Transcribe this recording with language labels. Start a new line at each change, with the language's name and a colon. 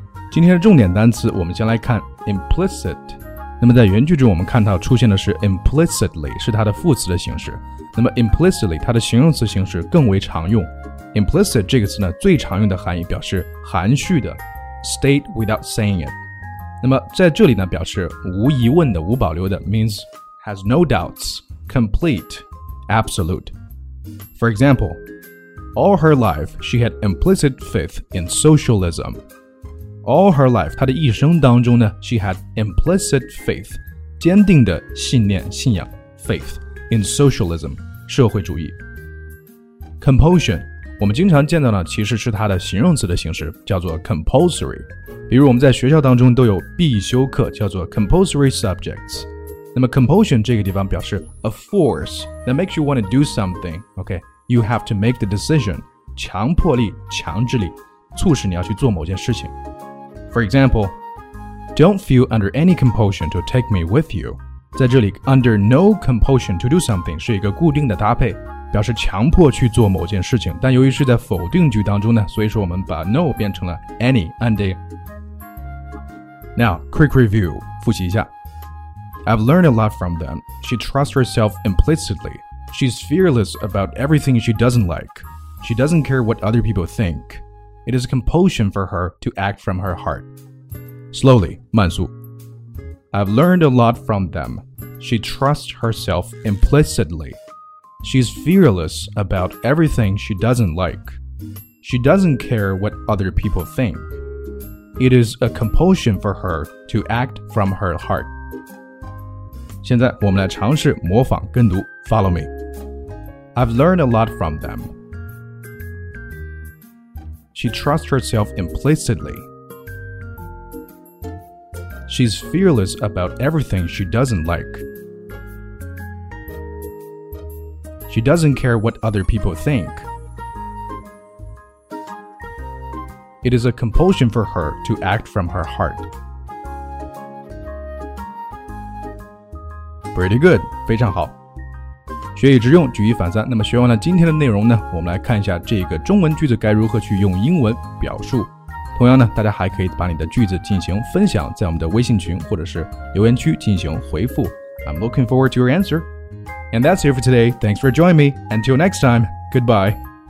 Chinese: 今天的重点单词我们先来看 implicit， 那么在原句中我们看到出现的是 implicitly， 是它的副词的形式，那么 implicitly 它的形容词形式更为常用。 implicit 这个词呢，最常用的含义表示含蓄的，
English: state without saying it，
Chinese: 那么在这里呢表示无疑问的，无保留的，
English: means has no doubts， complete， absolute。 For example， all her life she had implicit faith in socialismAll her life,
Chinese: 她的一生当中呢
English: she had implicit faith,
Chinese: 坚定的信念信仰
English: faith, in socialism,
Chinese: 社会主义。 Compulsion, 我们经常见到呢其实是它的形容词的形式，叫做 compulsory。比如我们在学校当中都有必修课，叫做 compulsory subjects。
English: 那么 compulsion 这个地方表示 a force that makes you want to do something, okay, you have to make the decision,
Chinese: 强迫力强制力促使你要去做某件事情。
English: For example, don't feel under any compulsion to take me with you.
Chinese: 在这里
English: under no compulsion to do something
Chinese: 是一个固定的搭配，表示强迫去做某件事情，但由于是在否定句当中呢，所以说我们把 no 变成了 any under.
English: Now, quick review,
Chinese: 复习一下。
English: I've learned a lot from them. She trusts herself implicitly. She's fearless about everything she doesn't like. She doesn't care what other people think. It is a compulsion for her to act from her heart. Slowly,
Chinese: 慢速
English: I've learned a lot from them. She trusts herself implicitly. She's fearless about everything she doesn't like. She doesn't care what other people think. It is a compulsion for her to act from her heart.
Chinese: 现在我们来尝试模仿跟读
English: Follow me. I've learned a lot from them. She trusts herself implicitly. She's fearless about everything she doesn't like. She doesn't care what other people think. It is a compulsion for her to act from her heart. Pretty good,
Chinese: 非常好。学以致用，举一反三。那么学完了今天的内容呢，我们来看一下这个中文句子该如何去用英文表述。同样呢，大家还可以把你的句子进行分享在我们的微信群或者是留言区进行回复。
English: I'm looking forward to your answer. And that's it for today. Thanks for joining me. Until next time, goodbye.